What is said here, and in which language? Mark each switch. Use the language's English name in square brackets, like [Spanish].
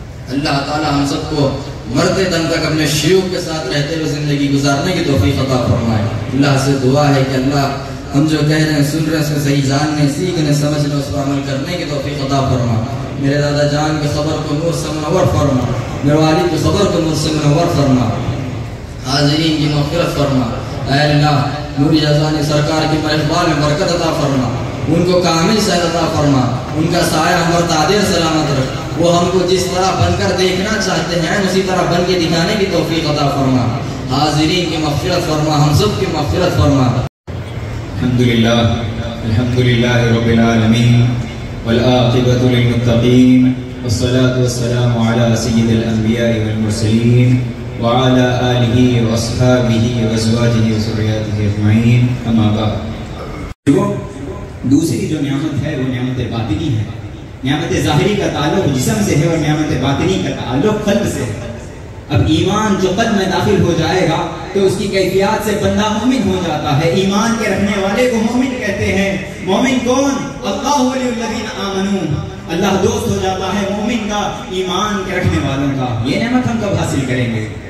[Urdu] اللہ تعالی ہم سب کو مرتے دم تک اپنے شیوخ کے ساتھ رہتے ہوئے زندگی گزارنے کی توفیق عطا فرمائے اللہ سے دعا ہے کہ اللہ ہم جو کہہ رہے ہیں سن رہے ہیں اس کو صحیح جاننے سیکھنے سمجھنے اس پر عمل کرنے کی توفیق عطا فرما میرے دادا جان کے صبر کو نور سے منور فرما میرے والد کے صبر کو نور سے منور فرما حاضرین کی مغفرت فرما اے اللہ نوری جزانی سرکار کی مرحبا میں برکت عطا فرما ان کو کامل صحت عطا فرما ان کا سایہ ہم پر تادر سلامت رکھ وہ ہم کو جس طرح بن کر دیکھنا چاہتے ہیں اسی طرح بن کے دکھانے کی توفیق عطا فرما حاضرین کی مغفرت فرما ہم سب کی مغفرت فرما [Arabic] الحمدللہ الحمدللہ رب العالمین والعاقبۃ للمتقین والصلاة والسلام على سید الانبیاء والمرسلین وعلى آله وأصحابه وأزواجه وذرياته أجمعين أما بعد [Urdu] دوسری جو نعمت ہے وہ نعمت باطنی ہے نعمت ظاہری کا تعلق جسم سے ہے اور نعمت باطنی کا تعلق قلب سے ہے اب ایمان جو قلب میں داخل ہو جائے گا تو اس کی کیفیات سے بندہ مومن ہو جاتا ہے ایمان کے رکھنے والے کو مومن کہتے ہیں مومن کون [Arabic] اللہ ولی الذین آمنوا [Urdu] اللہ دوست ہو جاتا ہے مومن کا ایمان کے رکھنے والوں کا یہ نعمت ہم کب حاصل کریں گے